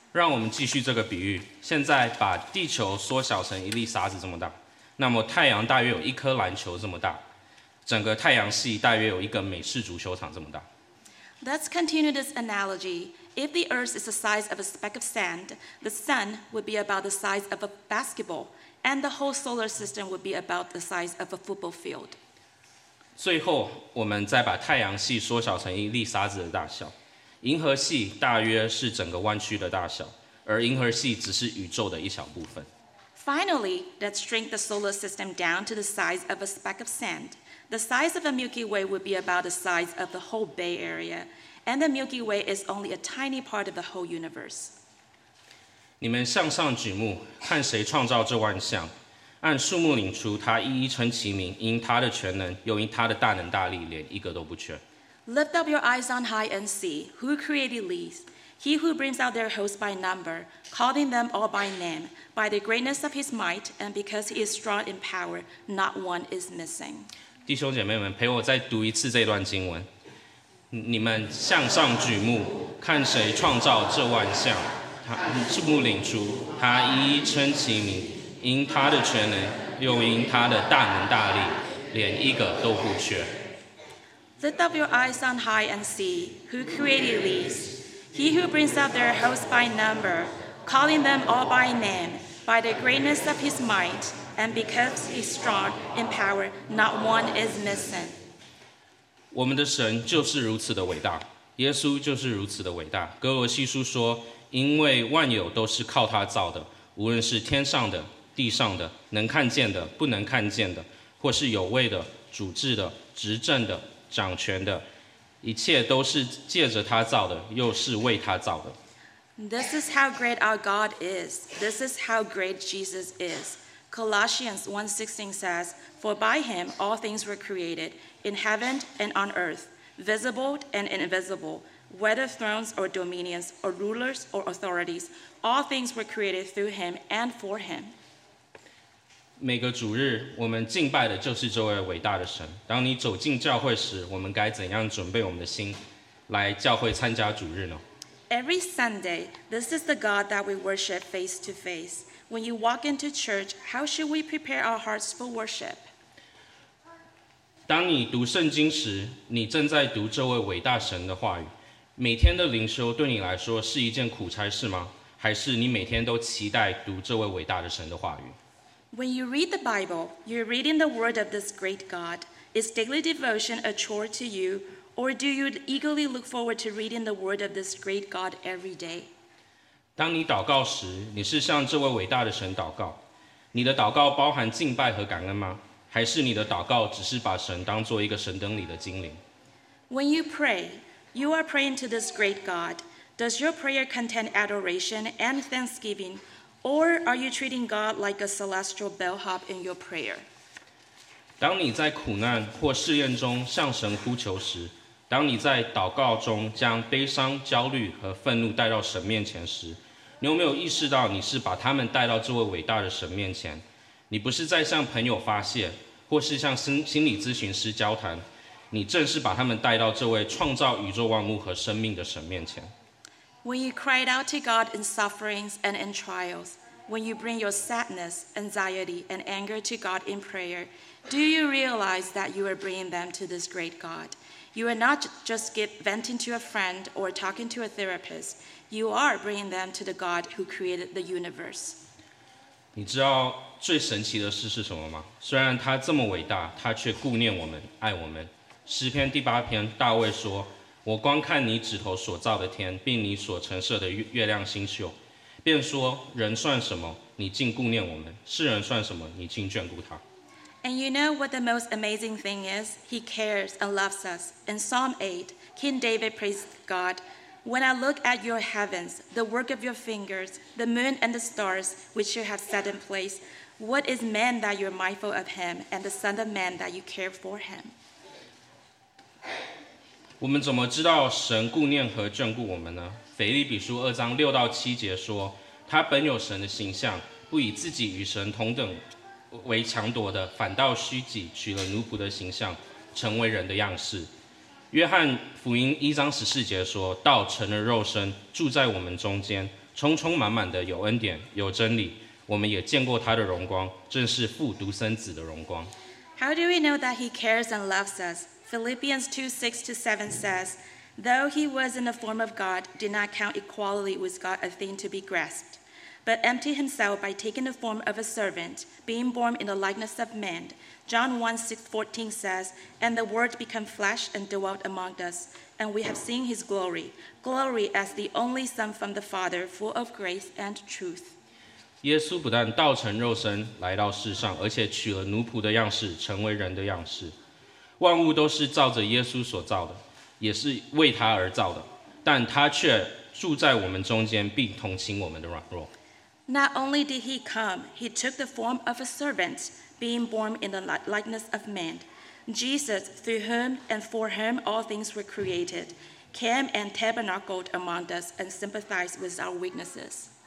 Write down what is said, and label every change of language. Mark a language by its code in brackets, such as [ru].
[zh] 让我们继续这个比喻。现在把地球缩小成一粒沙子这么大，那么太阳大约有一颗篮球这么大，整个太阳系大约有一个美式足球场这么大。 [en] Let's continue this analogy. If the earth is the size of a speck of sand, the sun would be about the size of a basketball. And the whole solar system would be about the size of a football field. [zh] 最后，我们再把太阳系缩小成一粒沙子的大小。银河系大约是整个湾区的大小，而银河系只是宇宙的一小部分。 [en] Finally, let's shrink the solar system down to the size of a speck of sand. The size of a Milky Way would be about the size of the whole Bay Area. And the Milky Way is only a tiny part of the whole universe. [zh] 你们向上举目，看谁创造这万象，按数目领出，他一一称其名，因他的全能，又因他的大能大力，连一个都不缺。 [en] Lift up your eyes on high and see who created these. He who brings out their host by number, calling them all by name, by the greatness of his might, and because he is strong in power, not one is missing. [zh] 弟兄姐妹们，陪我再读一次这段经文。你们向上举目，看谁创造这万象。他是牧领主，他一一称其名，因他的权能，又因他的大能大力，连一个都不缺。 [en] Lift up your eyes on high and see who created these. He who brings out their hosts by number, calling them all by name, by the greatness of his might, and because he's strong in power, not one is missing. [zh] 我们的神就是如此的伟大，耶稣就是如此的伟大。哥罗西书说，因为万有都是靠他造的，无论是天上的、地上的、能看见的、不能看见的，或是有位的、主治的、执政的、掌权的，一切都是借着他造的，又是为他造的。 [en] This is how great our God is. This is how great Jesus is. Colossians 1:16 says, "For by him all things were created, in heaven and on earth, visible and invisible, whether thrones or dominions or rulers or authorities. All things were created through him and for him." [zh] 每个主日，我们敬拜的就是这位伟大的神。当你走进教会时，我们该怎样准备我们的心来教会参加主日呢？ [en] Every Sunday, this is the God that we worship face to face. When you walk into church, how should we prepare our hearts for worship? [zh] 当你读圣经时，你正在读这位伟大神的话语。每天的灵修对你来说是一件苦差事吗？还是你每天都期待读这位伟大的神的话语？ [en] When you read the Bible, you're reading the word of this great God. Is daily devotion a chore to you? Or do you eagerly look forward to reading the word of this great God every day? [zh] 当你祷告时，你是向这位伟大的神祷告。你的祷告包含敬拜和感恩吗？还是你的祷告只是把神当作一个神灯里的精灵？ [en] When you pray, you are praying to this great God. Does your prayer contain adoration and thanksgiving? Or are you treating God like a celestial bellhop in your prayer? [zh] 当你在苦难或试验中向神呼求时，当你在祷告中将悲伤、焦虑和愤怒带到神面前时，你有没有意识到你是把他们带到这位伟大的神面前？你不是在向朋友发泄，或是向心理咨询师交谈，你正是把他们带到这位创造宇宙万物和生命的神面前。 [en] When you cried out to God in sufferings and in trials, when you bring your sadness, anxiety, and anger to God in prayer,Do you realize that you are bringing them to this great God? You are not just venting to a friend or talking to a therapist. You are bringing them to the God who created the universe. [zh] 你知道最神奇的事是什么吗？虽然他这么伟大，他却顾念我们，爱我们。诗篇第八篇，大卫说：“我观看你指头所造的天，并你所陈设的月亮星宿，便说：人算什么？你竟顾念我们；世人算什么？你竟眷顾他。” [en] And you know what the most amazing thing is? He cares and loves us. In Psalm 8, King David praised God, When I look at your heavens, the work of your fingers, the moon and the stars which you have set in place, what is man that you are mindful of him, and the son of man that you care for him? [zh] 我们怎么知道神顾念和眷顾我们呢？腓立比书二章六到七节说，他本有神的形象，不以自己与神同等为强夺的，反倒虚己，取了奴仆的形象，成为人的样式。约翰福音一章十四节说，道成了肉身，住在我们中间，充充满满的有恩典，有真理。我们也见过他的荣光，正是父独生子的荣光。 [en] How do we know that he cares and loves us? Philippians 2:6-7 says, Though he was in the form of God, did not count equality with God a thing to be grasped. But emptied himself by taking the form of a servant, being born in the likeness of men. John 1:14 says, And the word became flesh and dwelt among us, and we have seen his glory, glory as the only Son from the Father, full of grace and truth. [zh] 耶稣不但道成肉身来到世上，而且取了奴仆的样式，成为人的样式。万物都是照着耶稣所造的，也是为他而造的，但他却住在我们中间，并同情我们的软弱。 [en] Not only did he come, he took the form of a servant, being born in the likeness of man. Jesus, through whom and for whom all things were created, came and tabernacled among us and sympathized with our weaknesses.